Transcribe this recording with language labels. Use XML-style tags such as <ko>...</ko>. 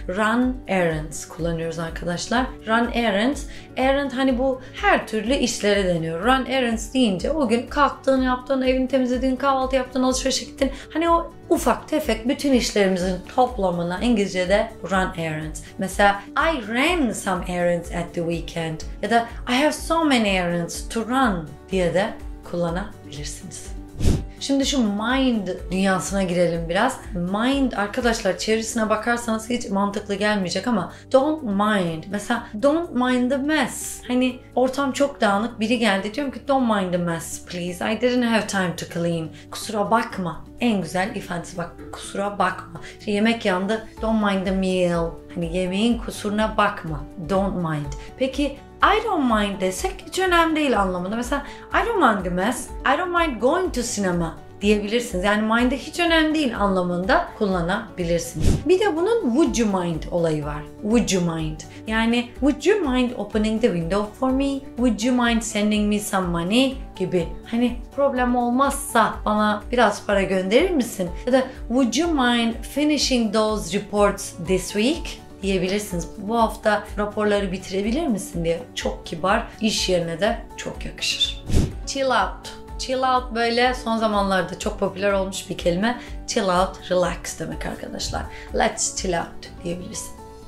<en>Run errands</en> <tr>kullanıyoruz arkadaşlar.</tr> <en>Run errands.</en> <tr>Errand hani bu her türlü işlere deniyor.</tr> <en>Run errands</en> <tr>deyince o gün kalktığın, yaptığın, evini temizlediğin, kahvaltı yaptığın, alışverişe gittin. Hani o ufak tefek bütün işlerimizin toplamına İngilizce'de</tr> <en>run errands.</en> <tr>Mesela</tr> <en>I ran some errands at the weekend.</en> <tr>Ya da</tr> <en>I have so many errands to run</en> <tr>diye de kullanabilirsiniz. Şimdi şu mind dünyasına girelim biraz. Mind arkadaşlar çevresine bakarsanız hiç mantıklı gelmeyecek ama</tr> <en>don't mind.</en> <tr>Mesela</tr> <en>don't mind the mess.</en> <tr>Hani ortam çok dağınık biri geldi diyorum ki</tr> <en>don't mind the mess please. I didn't have time to clean.</en> <tr>Kusura bakma. En güzel ifadesi bak kusura bakma. İşte yemek yandı</tr> <en>don't mind the meal.</en> <tr>Hani yemeğin kusuruna bakma.</tr> <en>Don't mind.</en> <tr>Peki</tr> <en>I don't mind</en> <tr>desek hiç önemli değil anlamında. Mesela</tr> <en>I don't mind the mess, I don't mind going to cinema</en> <tr>diyebilirsiniz. Yani mind'ı hiç önemli değil anlamında kullanabilirsiniz. Bir de bunun</tr> <en>would you mind</en> <tr>olayı var.</tr> <en>Would you mind.</en> <tr>Yani</tr> <en>would you mind opening the window for me? Would you mind sending me some money?</en> <tr>Gibi. Hani problem olmazsa bana biraz para gönderir misin? Ya da</tr> <en>would you mind finishing those reports this week?</en> <tr>Diyebilirsiniz. Bu hafta raporları bitirebilir misin diye çok kibar, iş yerine de çok yakışır.</tr> <en>Chill out. Chill out</en> <tr>böyle son zamanlarda çok popüler olmuş bir kelime.</tr> <en>Chill out, relax</en> <tr>demek arkadaşlar.</tr> <en>Let's chill out</en> <tr>diyebilirsin.</tr>